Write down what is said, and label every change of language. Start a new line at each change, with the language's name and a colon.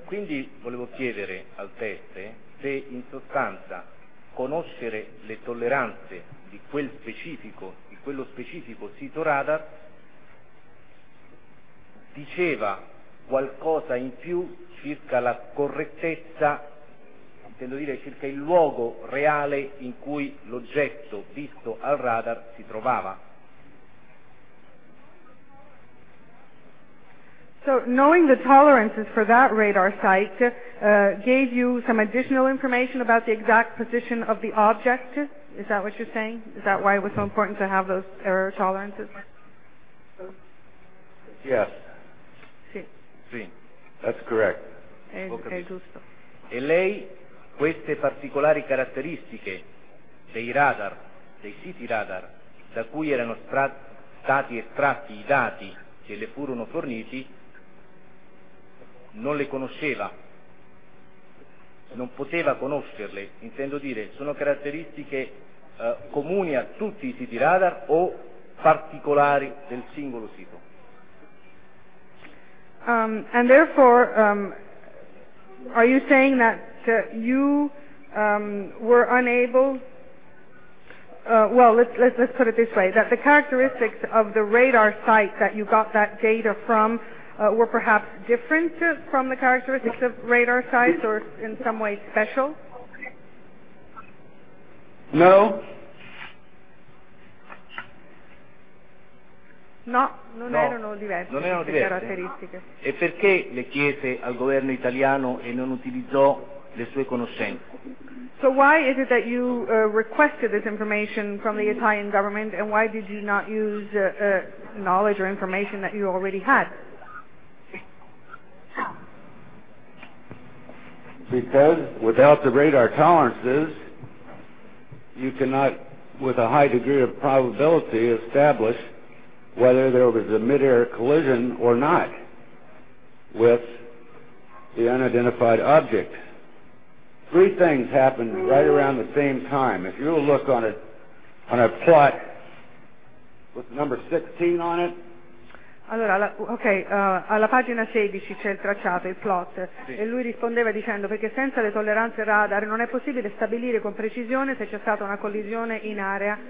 Italian: Quindi volevo chiedere al teste se in sostanza conoscere le tolleranze di quel specifico, di quello specifico sito radar, diceva qualcosa in più circa la correttezza, intendo dire circa il luogo reale in cui l'oggetto visto al radar si trovava.
English: So knowing the tolerances for that radar site gave you some additional information about the exact position of the object? Is that what you're saying? Is that why it was so important to have those error tolerances? Yes.
Italian: Sì. Sì.
English: That's correct.
Italian: È giusto. E lei queste particolari caratteristiche dei radar, dei siti radar, da cui erano stati estratti i dati che le furono forniti, non le conosceva, non poteva conoscerle, intendo dire, sono caratteristiche comuni a tutti i siti radar o particolari del singolo sito?
English: And therefore, are you saying that you were unable, well, let's put it this way, that the characteristics of the radar site that you got that data from were perhaps different from the characteristics of radar sites or in some way special? No.
Italian: No, non erano diverse le caratteristiche. E perché le chiese al governo italiano e non utilizzò le sue conoscenze?
English: So why is it that you requested this information from the Italian government, and why did you not use knowledge or information that you already had? Because without the radar tolerances, you cannot, with a high degree of probability, establish whether there was a mid-air collision or not with the unidentified object. Three things happened right around the same time. If you'll look on a plot with number 16 on it.
Italian: Allora, alla pagina 16 c'è il tracciato, il plot, sì. E lui rispondeva dicendo: perché senza le tolleranze radar non è possibile stabilire con precisione se c'è stata una collisione in area,